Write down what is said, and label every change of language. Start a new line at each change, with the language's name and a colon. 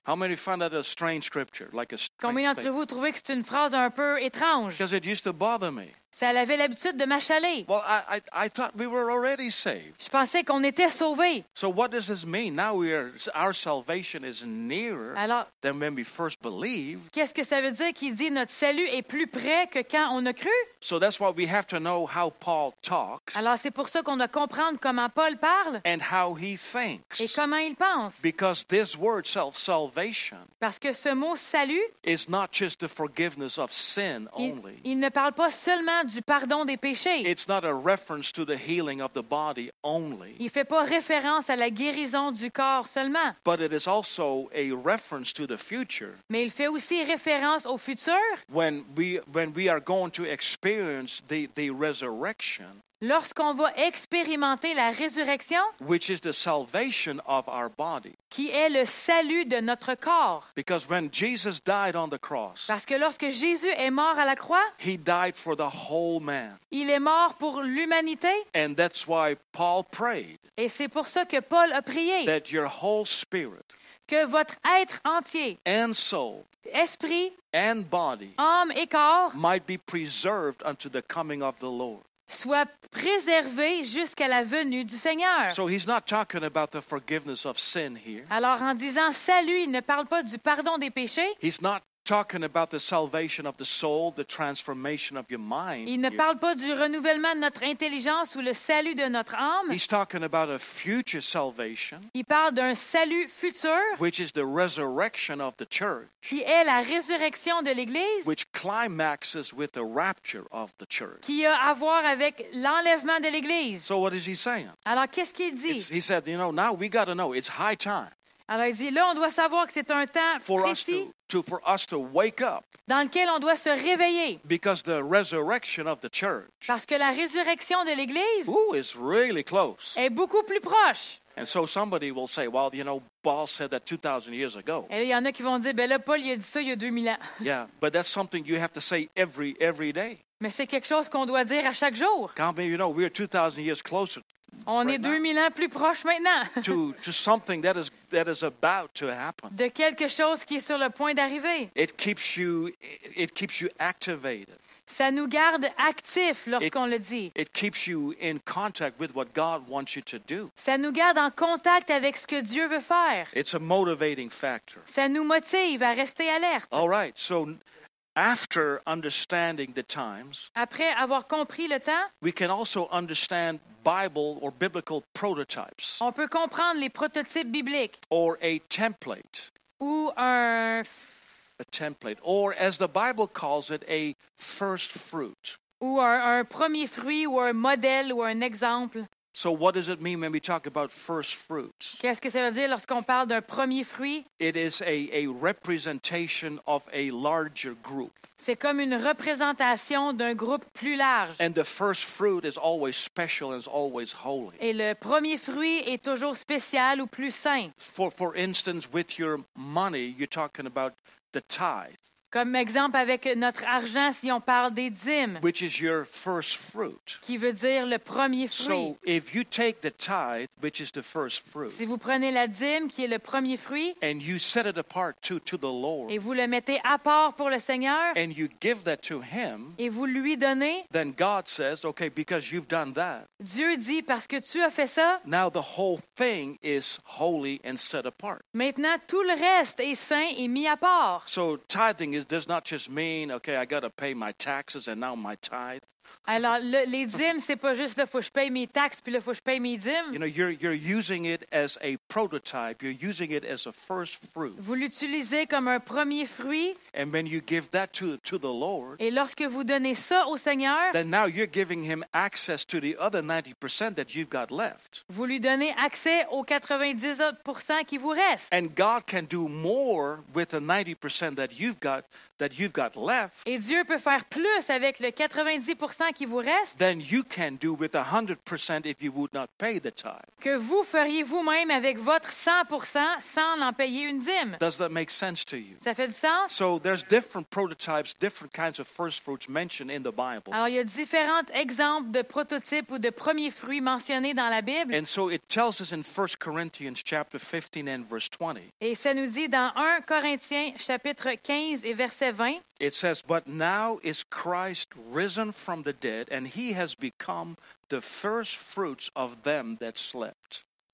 English: How many find that a strange scripture, like a strange
French: Combien d'entre vous trouvez que c'est une phrase un peu étrange?
English: Because it used to bother me.
French: Ça avait l'habitude de m'achaler.
English: Well, I thought we were already saved.
French: Je pensais qu'on était sauvés.
English: So what does this mean? Now we are, our salvation is nearer
French: Alors,
English: than when we first believed.
French: Qu'est-ce que ça veut dire qu'il dit notre salut est plus près que quand on a cru?
English: So that's why we have to know how Paul talks.
French: Alors c'est pour ça qu'on doit comprendre comment Paul parle.
English: And how he thinks.
French: Et comment il pense.
English: Because this word salvation.
French: Parce que ce mot salut.
English: Is not just the forgiveness of sin only.
French: Il ne parle pas seulement du pardon des péchés.
English: It's not a reference to the healing of the body only.
French: Il fait pas référence à la guérison du corps seulement.
English: But it is also a reference to the future.
French: Mais il fait aussi référence au futur.
English: When we are going to experience the resurrection.
French: Lorsqu'on va expérimenter la résurrection,
English: which is the salvation of our body.
French: Qui est le salut de notre corps.
English: Because when Jesus died on the cross,
French: parce que lorsque Jésus est mort à la croix,
English: he died for the whole man.
French: Il est mort pour l'humanité.
English: And that's why Paul prayed.
French: Et c'est pour ça que Paul a prié.
English: That your whole spirit,
French: que votre être entier,
English: and soul,
French: esprit,
English: and body,
French: âme et corps,
English: might be preserved unto the coming of the Lord.
French: Soit préservé jusqu'à la venue du Seigneur.
English: So he's not talking about the forgiveness of sin here.
French: Alors en disant salut, il ne parle pas du pardon des péchés.
English: He's not talking about the salvation of the soul, the transformation of your mind.
French: Il ne parle pas du renouvellement de notre intelligence ou le salut de notre âme.
English: He's talking about a future salvation.
French: Il parle d'un salut futur.
English: Which is the resurrection of the church.
French: Qui est la résurrection de l'Église.
English: Which climaxes with the rapture of the church.
French: Qui a à voir avec l'enlèvement de l'Église.
English: So what is he saying?
French: Alors qu'est-ce qu'il dit?
English: He said, you know, now we got to know. It's high time.
French: Alors il dit, là on doit savoir que c'est un temps
English: for
French: précis.
English: For us to wake up,
French: dans lequel on doit se réveiller,
English: because the resurrection of the church,
French: parce que la résurrection de l'Église,
English: ooh, is really close,
French: est beaucoup plus proche.
English: And so somebody will say, well, you know, Paul said that 2,000 years ago.
French: Et il y en a qui vont dire, ben là, Paul il a dit ça il y a 2000 ans.
English: Yeah, but that's something you have to say every day.
French: Mais c'est quelque chose qu'on doit dire à chaque jour.
English: Quand, you know, we are 2,000 years closer.
French: On right est 2000 now. Ans plus proche maintenant.
English: to something that is about to happen.
French: De quelque chose qui est sur le point d'arriver.
English: It keeps you activated.
French: Ça nous garde actifs lorsqu'on le dit.
English: It keeps you in contact with what God wants you to do.
French: Ça nous garde en contact avec ce que Dieu veut faire.
English: It's a motivating factor.
French: Ça nous motive à rester alerte.
English: All right, so after understanding the times,
French: après avoir compris le temps,
English: we can also understand Bible or biblical prototypes.
French: On peut comprendre les prototypes bibliques.
English: Or a template.
French: Ou un
English: a template, or as the Bible calls it, a first fruit.
French: Ou un premier fruit, ou un modèle, ou un exemple.
English: So what does it mean when we talk about first fruits?
French: Qu'est-ce que ça veut dire lorsqu'on parle d'un premier fruit?
English: It is a representation of a larger group.
French: C'est comme une représentation d'un groupe plus large.
English: And the first fruit is always special and is always holy.
French: Et le premier fruit est toujours spécial ou plus saint.
English: For instance, with your money, you're talking about the tithe.
French: Comme exemple avec notre argent, si on parle des dîmes,
English: which is your first fruit,
French: qui veut dire le premier fruit.
English: So if you take the tithe, which is the first fruit,
French: si vous prenez la dîme, qui est le premier fruit,
English: and you set it apart to the Lord,
French: et vous le mettez à part pour le Seigneur,
English: and you give that to him,
French: et vous lui donnez,
English: then God says, okay, because you've done that,
French: Dieu dit, parce que tu as fait ça,
English: now the whole thing is holy and set apart.
French: Maintenant, tout le reste est saint et mis à part.
English: So tithing is does not just mean, okay, I got to pay my taxes and now my tithe.
French: Alors, les dîmes, c'est pas juste, faut que je paye mes taxes, puis là, faut que je paye mes dîmes.
English: You know, you're using it as a prototype. You're using it as a first fruit.
French: Vous l'utilisez comme un premier fruit.
English: And when you give that to the Lord,
French: et lorsque vous donnez ça au Seigneur,
English: then now you're giving him access to the other 90% that you've got left.
French: Vous lui donnez accès aux 90% qui vous restent.
English: And God can do more with the 90% that you've got that you've got left,
French: et Dieu peut faire plus avec le 90% qui vous reste,
English: then you can do with 100% if you would not pay the tithe.
French: Que vous feriez vous-même avec votre 100% sans en payer une dîme.
English: Does that make sense to you?
French: Ça fait du sens?
English: So there's different prototypes, different kinds of first fruits mentioned in the Bible.
French: Alors il y a différents exemples de prototypes ou de premiers fruits mentionnés dans la Bible.
English: And so it tells us in 1 Corinthians chapter 15 and verse 20.
French: Et ça nous dit dans 1 Corinthiens chapitre 15 et verset 20.
English: It says, but now is Christ risen from the dead, and he has become the first fruits of them that slept.